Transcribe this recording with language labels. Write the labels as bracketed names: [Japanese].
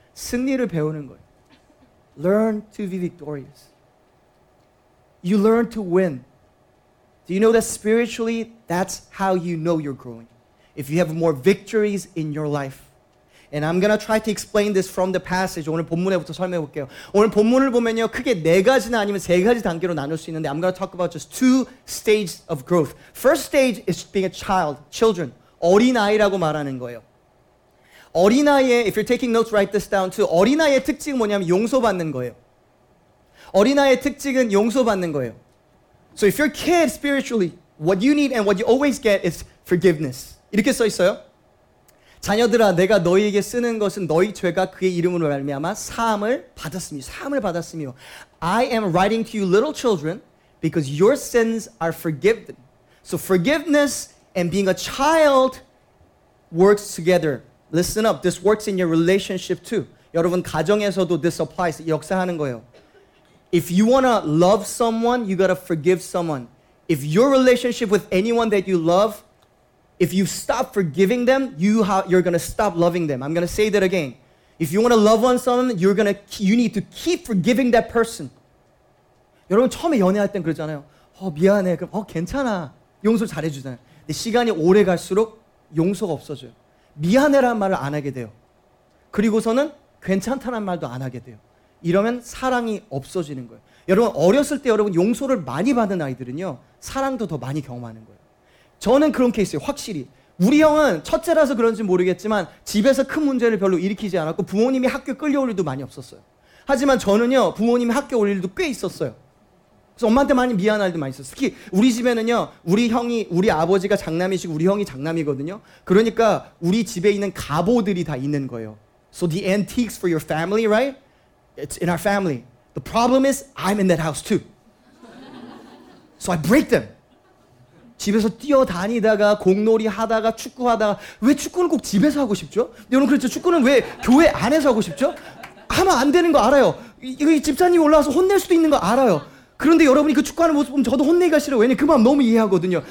[Korean] 승리를 배우는 거예요. [English] Learn to be victorious. You learn to win. Do you know that spiritually, that's how you know you're growing? If you have more victories in your life. And I'm going to try to explain this from the passage. [Korean] 오늘 본문에부터 설명해 볼게요. 오늘 본문을 보면요. 크게 네 가지나 아니면 세 가지 단계로 나눌 수 있는데 [English] I'm going to talk about just two stages of growth. First stage is being a child, children. [Korean] 어린아이라고 말하는 거예요. 어린아이의, [English] if you're taking notes, write this down too. [Korean] 어린아이의 특징은 뭐냐면 용서받는 거예요. 어린아이의 특징은 용서받는 거예요. [English] So if you're a kid spiritually, what you need and what you always get is forgiveness. [Korean] 이렇게 써 있어요. 자녀들아, 내가 너희에게 쓰는 것은 너희 죄가 그의 이름으로 말미암아 사함을 받았음이요. 사함을 받았음이요. [English] I am writing to you little children because your sins are forgiven. So forgiveness and being a child works together. Listen up. This works in your relationship too. [Korean] 여러분, 가정에서도 [English] this applies. [Korean] 역사하는 거예요. [English] If you want to love someone, you got to forgive someone. If your relationship with anyone that you love, if you stop forgiving them, you're going to stop loving them. I'm going to say that again. If you want to love on someone, you need to keep forgiving that person. [Korean] 여러분 처음에 연애할 땐 그러잖아요. 미안해. 그럼 괜찮아. 용서 잘해 주잖아요. 근데 시간이 오래 갈수록 용서가 없어져요. 미안해라는 말을 안 하게 돼요. 그리고서는 괜찮다는 말도 안 하게 돼요. 이러면 사랑이 없어지는 거예요. 여러분 어렸을 때 여러분 용서를 많이 받은 아이들은요 사랑도 더 많이 경험하는 거예요. 저는 그런 케이스예요. 확실히 우리 형은 첫째라서 그런지 모르겠지만 집에서 큰 문제를 별로 일으키지 않았고 부모님이 학교 끌려올 일도 많이 없었어요. 하지만 저는요 부모님이 학교 올 일도 꽤 있었어요. 그래서 엄마한테 많이 미안할 일도 많이 있었어요. 특히 우리 집에는요 우리 형이 우리 아버지가 장남이시고 우리 형이 장남이거든요. 그러니까 우리 집에 있는 갑옷들이 다 있는 거예요. [English] So the antiques for your family, right? It's in our family. The problem is I'm in that house too. So I break them. [Korean] 집에서 뛰어다니다가 공놀이 하다가 축구하다가 왜 축구는 꼭 집에서 하고 싶죠? 여러분 그렇죠? 축구는 왜 교회 안에서 하고 싶죠? 하면 안 되는 거 알아요. 이 집사님이 올라와서 혼낼 수도 있는 거 알아요. 그런데 여러분이 그 축구하는 모습 보면 저도 혼내기가 싫어요. 왜냐면 그 마음 너무 이해하거든요.